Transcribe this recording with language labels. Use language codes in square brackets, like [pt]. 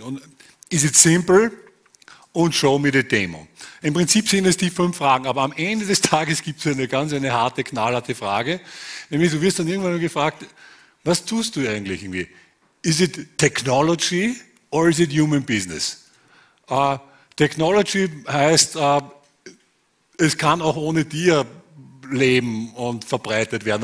[en] Und is it simple? Und show me the demo. [de] Im Prinzip sind es die fünf Fragen, aber am Ende des Tages gibt es eine harte, knallharte Frage. Nämlich, du wirst dann irgendwann gefragt, was tust du eigentlich irgendwie? [en] Is it technology or is it human business? [de] Technology heißt, es kann auch ohne dir leben und verbreitet werden.